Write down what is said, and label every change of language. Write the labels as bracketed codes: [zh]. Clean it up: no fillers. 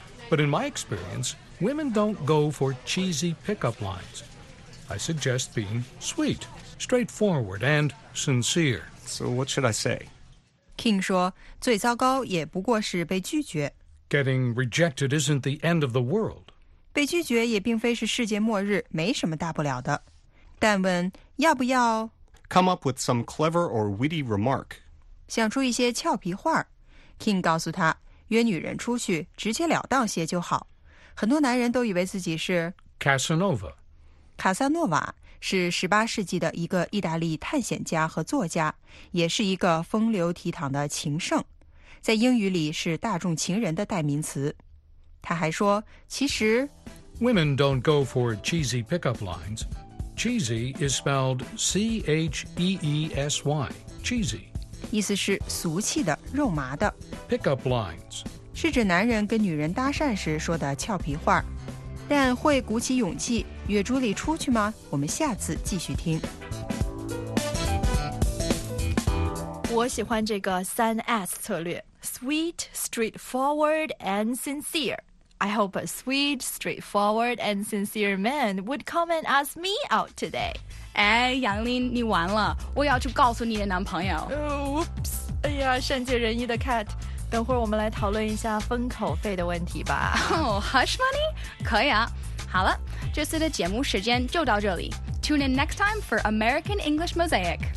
[en] But in my experience, women don't go for cheesy pickup lines. I suggest being sweet. Straightforward and sincere. So what should I say? [zh] King 说最糟糕也不过是被拒绝。 [en] Getting rejected isn't the end of the world. [zh] 被拒绝也并非是世界末日，没什么大不了的。但问要不要 [en] Come up with some clever or witty remark. [zh] 想出一些俏皮话。King 告诉他约女人出去直截了当些就好。很多男人都以为自己是 [en] Casanova. [zh] 卡萨诺瓦。是十八世纪的一个意大利探险家和作家，也是一个风流倜傥的情圣，在英语里是大众情人的代名词。他还说，其实 [en] ，Women don't go for cheesy pickup lines. Cheesy is spelled C-H-E-E-S-Y. Cheesy， [zh] 意思是俗气的、肉麻的。 [en] Pickup lines [zh] 是指男人跟女人搭讪时说的俏皮话。但会鼓起勇气约朱莉出去吗？我们下次继续听。我喜欢这个3S 策略 [en] Sweet, straightforward and sincere. I hope a sweet, straightforward and sincere man would come and ask me out today. [zh] 哎，杨林，你完了，我要去告诉你的男朋友。 Oops, 哎呀，善解人意的 Cat，等会儿我们来讨论一下封口费的问题吧。 [en] Oh, hush money? [zh] 可以啊。好了，这次的节目时间就到这里。 [en] Tune in next time for American English Mosaic.